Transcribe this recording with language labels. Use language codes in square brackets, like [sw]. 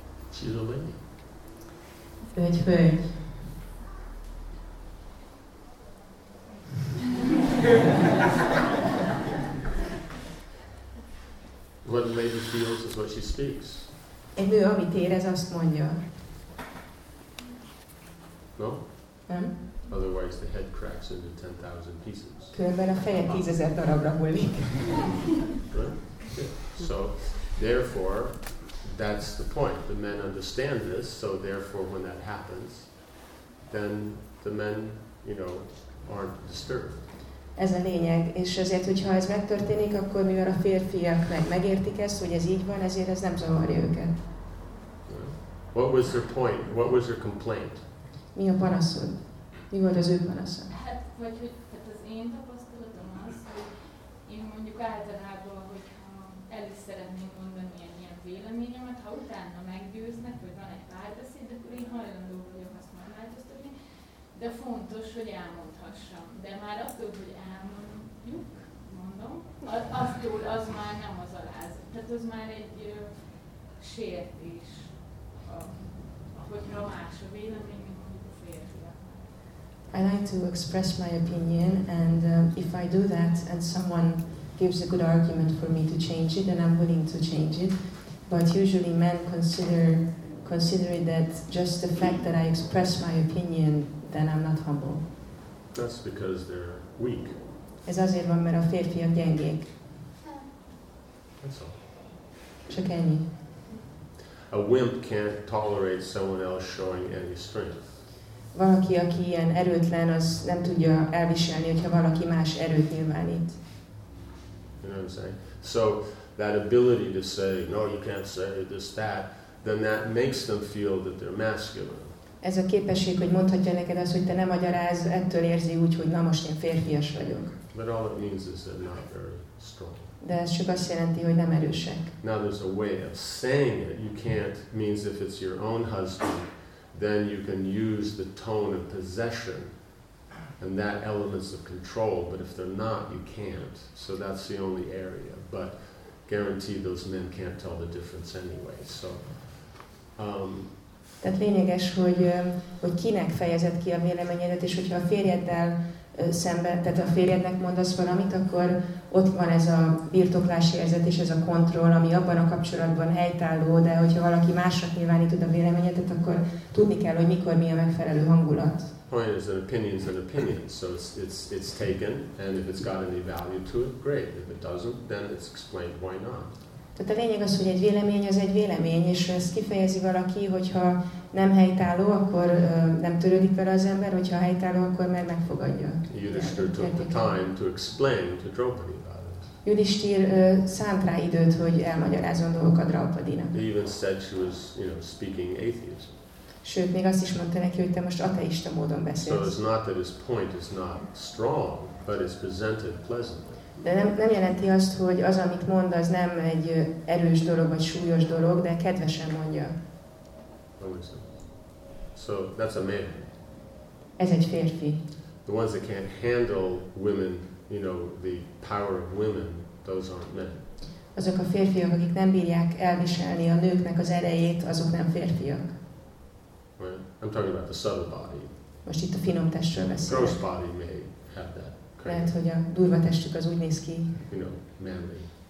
[en] She's a lady. [hu] Egy hölgy. [en] What a lady feels is what she speaks. [hu] Egy nő, amit érez, azt mondja. [en] No? Otherwise the head cracks into 10,000 pieces. [hu] Körben a feje 10,000 darabra hullik. [en] So, therefore, that's the point. The men understand this, so therefore when that happens, then the men, you know, aren't disturbed. [hu] Ez a lényeg, és azért, hogyha ez megtörténik, akkor mivel a férfiak megértik ezt, hogy ez így van, ezért ez nem zavarja őket. [en] What was their point? What was their complaint? [hu] Mi a panaszod? Mi volt az ő panasza? Hát az én tapasztalatom az, hogy én mondjuk általában, hogyha el is szeretném mondani egy ilyen véleményemet, ha utána meggyőznek, hogy van egy párbeszéd, akkor én hajlandó vagyok azt megváltoztatni, de fontos, hogy elmondhassam. De már attól, hogy elmondjuk, mondom, attól az már nem az alázat. Tehát az már egy sértés, hogyha más a vélemény, mint mondjuk a férfi. [en] I like to express my opinion, and if I do that and someone gives a good argument for me to change it, then I'm willing to change it. But usually men consider it that just the fact that I express my opinion, then I'm not humble. That's because they're weak. [hu] Ez azért van, mert a férfiak gyengék. [en] That's all. [hu] Csak ennyi. [en] A wimp can't tolerate someone else showing any strength. [hu] Valaki, aki ilyen erőtlen, az nem tudja elviselni, hogyha valaki más erőt nyilvánít. [en] You know what I'm saying? So that ability to say, no, you can't say this, that, then that makes them feel that they're masculine. [hu] Ez a képesség, hogy mondhatja neked azt, hogy te nem magyaráz, ettől érzi úgy, hogy na most én férfias vagyok. [en] But all it means is they're not very strong. [hu] De ez csak azt jelenti, hogy nem erősek. [en] Now there's a way of saying it. You can't, means if it's your own husband, then you can use the tone of possession and that elements of control, but if they're not, you can't. So that's the only area. But guaranteed, those men can't tell the difference anyway. So. [hu] Tehát lényeges, hogy kinek fejezed ki a véleményedet, és hogyha a férjeddel szemben, tehát a férjednek mondasz valamit, akkor ott van ez a birtoklási érzet és ez a kontroll, ami abban a kapcsolatban helytálló, de hogyha valaki másnak nyilvánítod a véleményedet, akkor tudni kell, hogy mikor mi a megfelelő hangulat. [en] Point is, an opinion is an opinion, so it's taken, and if it's got any value to it, great. If it doesn't, then it's explained why not. [hu] Tehát a lényeg az, hogy egy vélemény az egy vélemény, és ezt kifejezi valaki, hogyha nem helytálló, akkor nem törődik vele az ember, hogyha helytálló, akkor meg megfogadja. [en] Yudhisthira took the time to explain to Draupadi about it. [hu] Yudhisthira szánt rá időt, hogy elmagyarázzon dolgokat Draupadinak. [en] He even said she was, you know, speaking atheism. [hu] Sőt, még azt is mondta neki, hogy te most ateista módon beszélsz. [en] So it's not that his point is not strong, but it's presented pleasantly. [hu] De nem jelenti azt, hogy az, amit mond, az nem egy erős dolog, vagy súlyos dolog, de kedvesen mondja. [en] So, that's a man. [hu] Ez egy férfi. [en] The ones that can't handle women you know, the power of women, those aren't men. [hu] Azok a férfiak, akik nem bírják elviselni a nőknek az erejét, azok nem férfiak. [en] Right. I'm talking about the subtle body. [hu] Most itt a finom testről beszélek. [en] Gross body may have that. [hu] Lehet, hogy a durva testük az úgy néz ki. [en] You know, manly.